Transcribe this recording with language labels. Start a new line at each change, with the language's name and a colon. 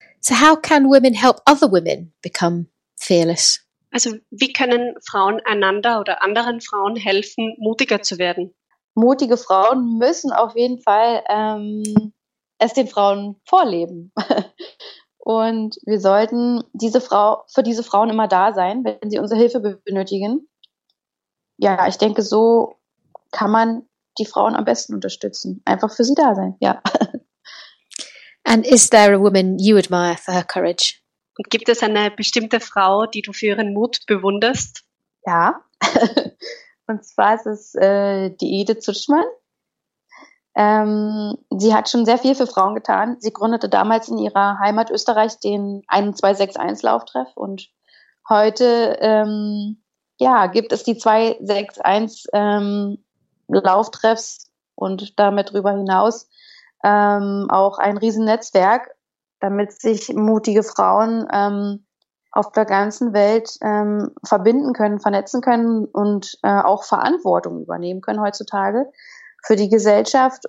English: So how can women help other women become fearless?
German: Also wie können Frauen einander oder anderen Frauen helfen, mutiger zu werden? Mutige Frauen müssen auf jeden Fall es den Frauen vorleben. Und wir sollten für diese Frauen immer da sein, wenn sie unsere Hilfe benötigen. Ja, ich denke, so kann man die Frauen am besten unterstützen. Einfach für sie da sein, ja.
English: And is there a woman you admire for her courage?
German: Und gibt es eine bestimmte Frau, die du für ihren Mut bewunderst? Ja, und zwar ist es die Edith Zutschmann. Sie hat schon sehr viel für Frauen getan. Sie gründete damals in ihrer Heimat Österreich den 1261-Lauftreff und heute gibt es die 261-Lauftreffs und damit drüber hinaus auch ein Riesennetzwerk, damit sich mutige Frauen auf der ganzen Welt verbinden können, vernetzen können und auch Verantwortung übernehmen können heutzutage für die Gesellschaft.